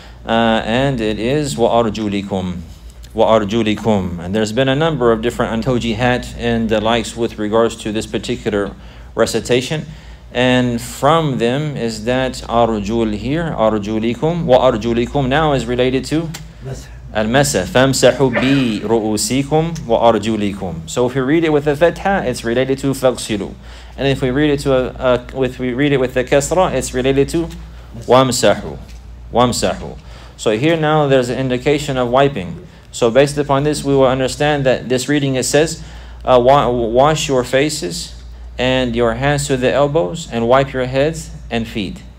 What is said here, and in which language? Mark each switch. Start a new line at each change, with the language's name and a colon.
English: And it is wa'arjulikum. Wa'arjulikum. And there's been a number of different antojihat and the likes with regards to this particular recitation. And from them is that arjul here, arjulikum, wa'arjulikum now is related to?
Arabic: Al-Masah, فَامْسَحُوا بِرُؤُوسِكُمْ وَأَرْجُلِكُمْ.
English: So if we read it with a fatha, it's related to فَغْسِلُوا. And if we read it to with the kasra, it's related to وَامْسَحُوا.
Arabic: وَامْسَحُوا.
English: So here now there's an indication of wiping. So based upon this, we will understand that this reading, it says, wash your faces and your hands to the elbows and wipe your heads and feet.